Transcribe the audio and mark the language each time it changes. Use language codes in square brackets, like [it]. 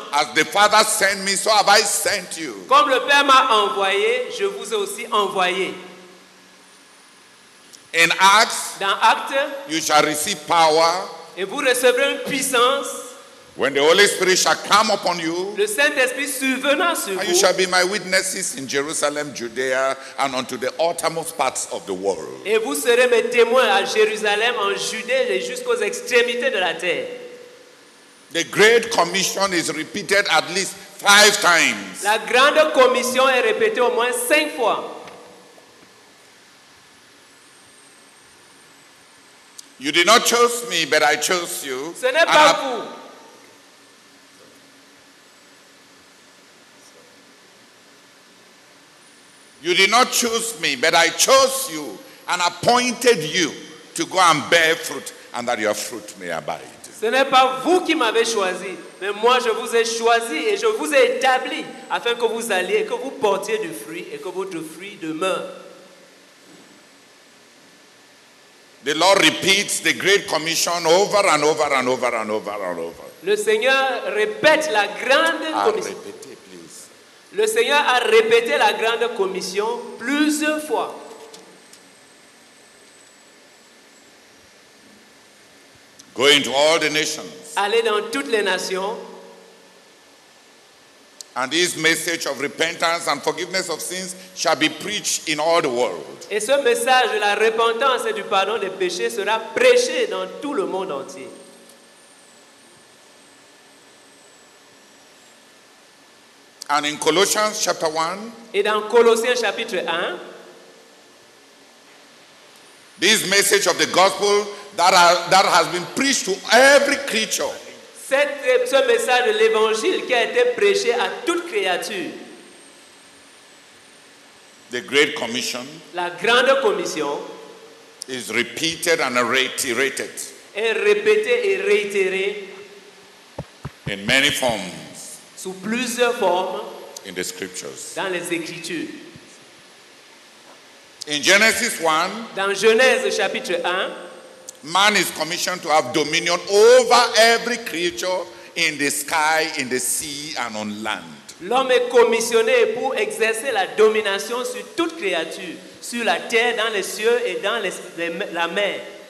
[en] As the Father sent me, so have I sent you. [fr] Comme le Père m'a envoyé, je vous ai aussi envoyé. [en] In Acts. [fr] Dans Actes. [en] You shall receive power. [fr] Et vous recevrez une puissance. [en] When the Holy Spirit shall come upon you. [fr] Le Saint-Esprit survenant sur vous. [en] And you shall be my witnesses in Jerusalem, Judea, and unto the uttermost parts of the world. [fr] Et vous serez mes témoins à Jérusalem, en Judée et jusqu'aux extrémités de la terre. [en] The great commission is repeated at least five times. [fr] La grande commission est répétée au moins cinq fois. [en] You did not choose me, but I chose you. [fr] Ce n'est pas vous. [en] You did not choose me, but I chose you and appointed you to go and bear fruit, and that your fruit may abide. [fr] Ce n'est pas vous qui m'avez choisi, mais moi je vous ai choisi et je vous ai établi afin que vous alliez, que vous portiez du fruit et que votre fruit demeure. [en] The Lord repeats the great commission over and over and over and over and over. [fr] Le Seigneur répète la grande commission. Répéter, [en] please. [fr] Le Seigneur a répété la grande commission plusieurs fois. [en] Go into all the nations. [fr] Allez dans toutes les nations. [en] And this message of repentance and forgiveness of sins shall be preached in all the world. [fr] Et ce message de la repentance et du pardon des péchés sera prêché dans tout le monde entier. [en] And in Colossians chapter 1. [fr] Et dans Colossiens chapitre 1. [en] This message of the gospel that has been preached to every creature. [fr] C'est ce message de l'évangile qui a été prêché à toute créature. [en] The great commission. [fr] La grande commission. [en] Is repeated and reiterated. [fr] Est répétée et réitérée. [en] In many forms. [fr] Sous plusieurs formes. [en] In the scriptures. [fr] Dans les écritures. [en] In Genesis 1. [fr] Dans Genèse chapitre 1. [en] Man is commissioned to have dominion over every creature in the sky, in the sea, and on land. [fr] L'homme est commissionné pour exercer la domination sur toute créature, sur la terre, dans les cieux et dans la mer.